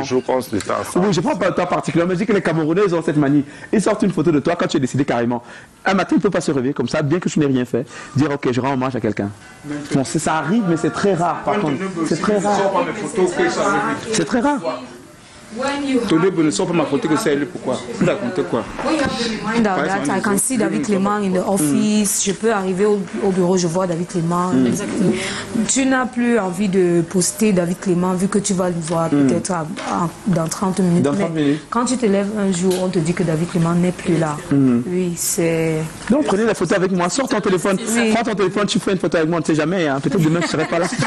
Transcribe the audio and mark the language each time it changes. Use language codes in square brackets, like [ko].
[fr] Oui, je parle pas de toi particulièrement, mais je dis que les Camerounais ont cette manie. Ils sortent une photo de toi quand tu es décédé carrément. Un matin, tu ne peux pas se réveiller comme ça, bien que tu n'aies rien fait, dire ok, je rends hommage à quelqu'un. Bon, c'est, ça arrive, mais c'est très rare. Par contre, c'est très rare. C'est très rare. Ton neveu ne sort pas ma côté que c'est lui, pourquoi? Vous racontez quoi? [en] I can see David Clément in the office. [fr] Je peux arriver au bureau, je vois David Clément. Mm. Exactement. Tu n'as plus envie de poster David Clément vu que tu vas le voir peut-être dans 30 minutes. Dans 30 minutes. Quand tu te lèves un jour, on te dit que David Clément n'est plus là. Mm. Oui, c'est. Donc prenez la photo avec moi, sors ton téléphone. Oui. Prends ton téléphone, tu fais une photo avec moi, on ne sait jamais. Hein. Peut-être demain, je ne serai pas là.